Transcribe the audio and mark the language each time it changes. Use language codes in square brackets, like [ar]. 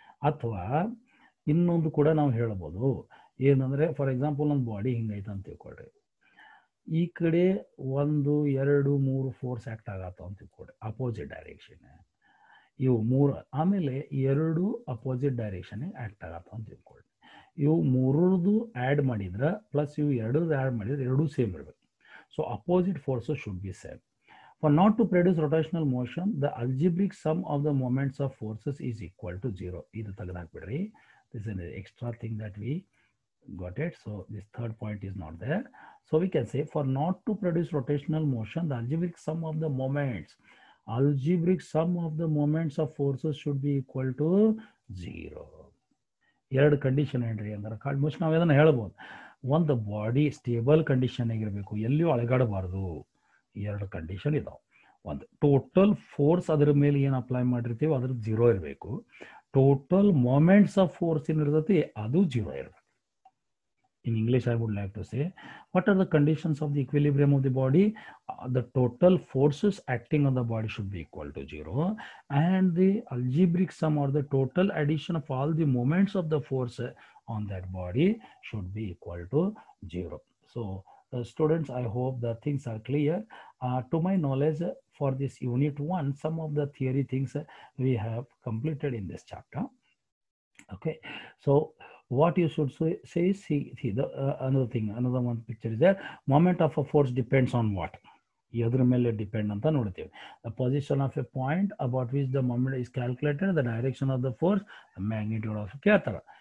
[kn] ಅಥವಾ ಇನ್ನೊಂದು ಕೂಡ ನಾವು ಹೇಳ್ಬೋದು ಏನಂದರೆ, [en] for example [kn] ನಮ್ಮ ಬಾಡಿ ಹಿಂಗೈತೆ ಅಂತ ತಿಳ್ಕೊಳ್ರಿ, ಈ ಕಡೆ ಒಂದು ಎರಡು ಮೂರು ಫೋರ್ಸ್ ಆ್ಯಕ್ಟ್ ಆಗತ್ತೋ ಅಂತ ತಿಳ್ಕೊಳ್ರಿ, ಅಪೋಸಿಟ್ ಡೈರೆಕ್ಷನ್ ಇವು ಮೂರು, ಆಮೇಲೆ ಎರಡು ಅಪೋಸಿಟ್ ಡೈರೆಕ್ಷನ್ ಆ್ಯಕ್ಟ್ ಆಗತ್ತೋ ಅಂತ ತಿಳ್ಕೊಳ್ರಿ. ಇವು ಮೂರದು ಆ್ಯಡ್ ಮಾಡಿದ್ರೆ ಪ್ಲಸ್ ಇವು ಎರಡರದ್ದು ಆ್ಯಡ್ ಮಾಡಿದ್ರೆ ಎರಡೂ ಸೇಮ್ ಇರಬೇಕು. [en] So opposite forces should be same. For not to produce rotational motion, the algebraic sum of the moments of forces is equal to zero. [kn] ಇದು ತೆಗೆದಾಕ್ಬಿಡ್ರಿ, [en] this is an extra thing that we got it. So this third point is not there. So we can say, for not to produce rotational motion, the algebraic sum of the moments, algebraic sum of the moments of forces should be equal to zero. [kn] ಎರಡು condition ಹೇಳ್ರಿ ಅಂದ್ರೆ called most ನಾವು ಏನನ್ನ ಹೇಳ್ಬೋದು, ಒಂದು body stable condition ಆಗಿರಬೇಕು, ಎಲ್ಲಿಯೂ ಅಲಗಾಡಬಾರ್ದು. ಎರಡು ಕಂಡೀಷನ್ ಇದಾವೆ. ಒಂದು ಟೋಟಲ್ ಫೋರ್ಸ್ ಅದ್ರ ಮೇಲೆ ಏನು ಅಪ್ಲೈ ಮಾಡಿರ್ತೀವಿ ಅದ್ರ ಜೀರೋ ಇರಬೇಕು. ಟೋಟಲ್ ಮೊಮೆಂಟ್ಸ್ ಆಫ್ ಫೋರ್ಸ್ ಏನು ಇರ್ತೈತಿ ಅದು ಜೀರೋ ಇರಬೇಕು. [en] In English I would like to say, what are the conditions of the equilibrium of the body? The total forces acting on the body should be equal to zero, and the algebraic sum or the total addition of all the moments of the force on that body should be equal to zero. So students, I hope the things are clear. To my knowledge for this unit one some of the theory things we have completed in this chapter. Okay, so what you should say, another thing, another one picture is there. Moment of a force depends on what? [kn] Yadra mele depend anta nodutive. [en] The position of a point about which the moment is calculated, the direction of the force, the magnitude of kethara.